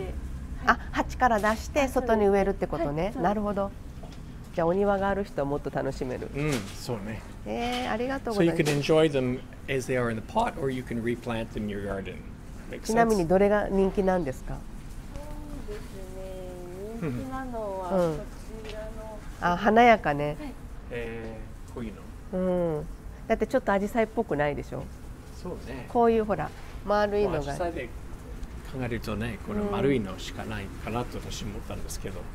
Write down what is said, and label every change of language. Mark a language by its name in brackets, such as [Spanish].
[Japanese] はい、あ、鉢から出して外に植えるってことね、はい、なるほど。じゃあお庭がある人はもっと楽しめる。そうね。ありがとうございます。 [English] So you can enjoy them as they are in the pot, or you can replant them in your garden. [Japanese] ちなみにどれが人気なんですか？そうですね。人気なのはこちらの。あ、華やかね。はい、こういうの。だってちょっとアジサイっぽくないでしょ？そうね。こういうほら丸いのが。考えるとね、これ丸いのしかないかなと私思ったんですけど。